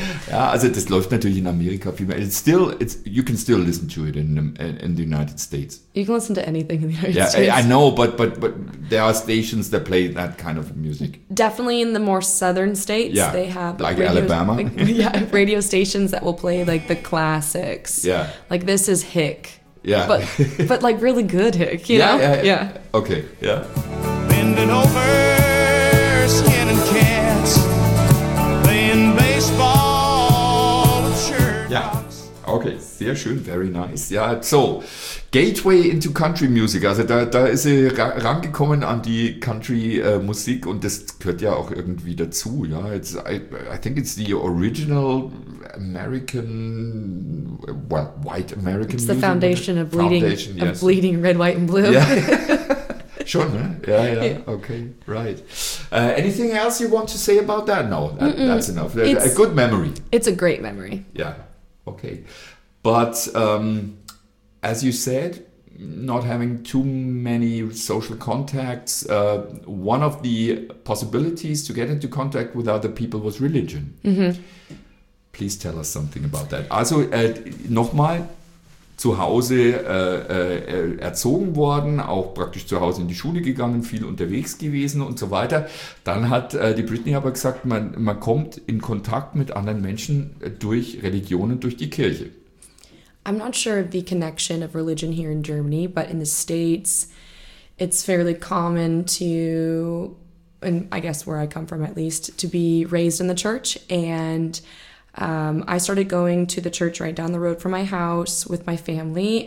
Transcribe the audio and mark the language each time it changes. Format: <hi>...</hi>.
<de>Ja, also das läuft natürlich in Amerika viel mehr.</de> <en>You can still listen to it in the United States. You can listen to anything in the United States. Yeah, I know, but there are stations that play that kind of music. Definitely in the more southern states, they have like radios, Alabama. Radio stations that will play like the classics. Yeah. Like this is Hick. Yeah. But like really good Hick, you know? Yeah. Okay, yeah. Bending over, skin and cats, playing baseball, sure. Yeah, okay,</en> <de>sehr schön,</de> <en>very nice.</en> <de>Ja, so,</de> <en>Gateway into Country Music,</en> <de>also da ist sie rangekommen an die Country Musik, und das gehört ja auch irgendwie dazu, ja.</de> <en>I think it's the original American, well, white American music. It's the foundation of bleeding, yes. Of bleeding red, white and blue. Yeah. Sure, ne? Yeah. Okay, right. Anything else you want to say about that? No, that's enough. A good memory. It's a great memory. Yeah, okay. But as you said, not having too many social contacts, one of the possibilities to get into contact with other people was religion. Mm-hmm. Please tell us something about that.</en> <de>Also, nochmal, zu Hause erzogen worden, auch praktisch zu Hause in die Schule gegangen, viel unterwegs gewesen und so weiter. Dann hat die Britney aber gesagt, man kommt in Kontakt mit anderen Menschen durch Religionen, durch die Kirche.</de> <en>I'm not sure of the connection of religion here in Germany, but in the States, it's fairly common to, and I guess where I come from at least, to be raised in the church. And I started going to the church right down the road from my house with my family.</en>